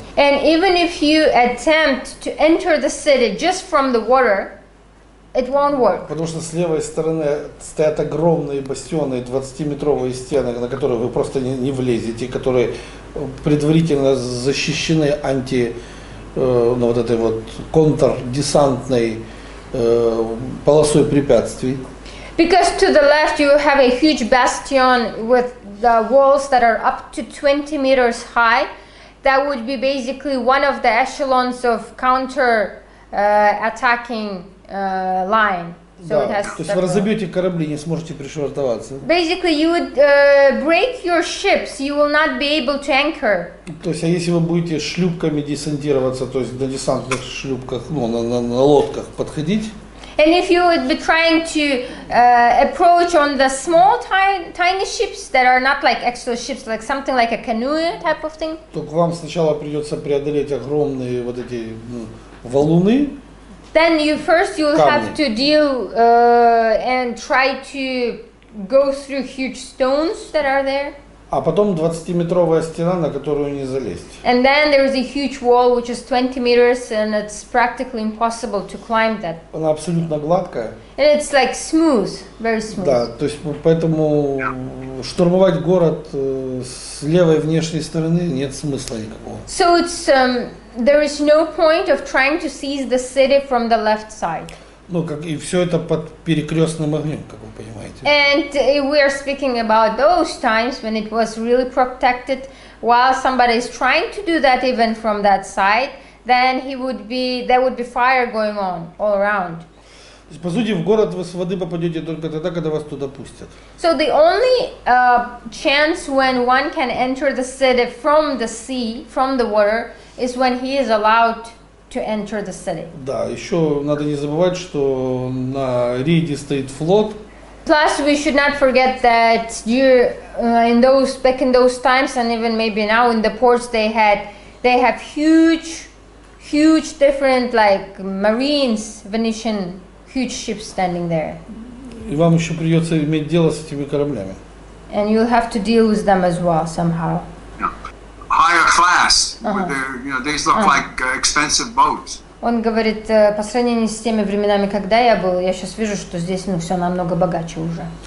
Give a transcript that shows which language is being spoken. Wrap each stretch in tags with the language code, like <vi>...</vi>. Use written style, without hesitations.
<en>And even if you attempt to enter the city just from the water, it won't work.</en> <ru>Потому что с левой стороны стоят огромные бастионы, 20-метровые стены, на которые вы просто не влезете, которые предварительно защищены ну, вот этой вот контрдесантной полосой препятствий.</ru> <en>Because to the left you have a huge bastion with the walls that are up to 20 meters high, that would be basically one of the echelons of counter-attacking line.</en> <ru>So да, то есть вы разобьете корабли, не сможете пришвартоваться.</ru> <en>Basically, you would break your ships, you will not be able to anchor.</en> <ru>То есть, а если вы будете шлюпками десантироваться, то есть на десантных шлюпках, ну, на лодках подходить?</ru> <en>And if you would be trying to approach on the small tiny ships that are not like actual ships, like something like a canoe type of thing?</en> <ru>То к вам сначала придется преодолеть огромные вот эти валуны.</ru> <en>Then you first you'll have to deal and try to go through huge stones that are there.</en> <ru>А потом 20-метровая стена, на которую не залезть.</ru> <en>And then there is a huge wall which is 20 meters and it's practically impossible to climb that.</en> <ru>Она абсолютно гладкая.</ru> <en>And it's like smooth, very smooth.</en> <ru>Да, то есть поэтому штурмовать город с левой внешней стороны нет смысла никакого.</ru> <en>So it's there is no point of trying to seize the city from the left side.</en> <ru>Ну, как и все это под перекрестным огнем, как вы понимаете.</ru> <en>And we are speaking about those times when it was really protected. While somebody is trying to do that even from that side, then he would be there would be fire going on all around.</en> <ru>То есть, по сути, в город вы с воды попадете только тогда, когда вас туда пустят.</ru> <en>So the only chance when one can enter the city from the sea, from the water, is when he is allowed to enter the city.</en> <ru>Да, еще надо не забывать, что на рейде стоит флот.</ru> <en>Plus, we should not forget that back in those times, and even maybe now in the ports, they have huge different like marines, Venetian huge ships standing there.</en> <ru>И вам еще придется иметь дело с этими кораблями.</ru> <en>And you'll have to deal with them as well somehow. Higher class, these look like expensive boats.</en> <ru>Он говорит, по сравнению с теми временами, когда я был, я сейчас вижу, что здесь все намного богаче уже.</ru>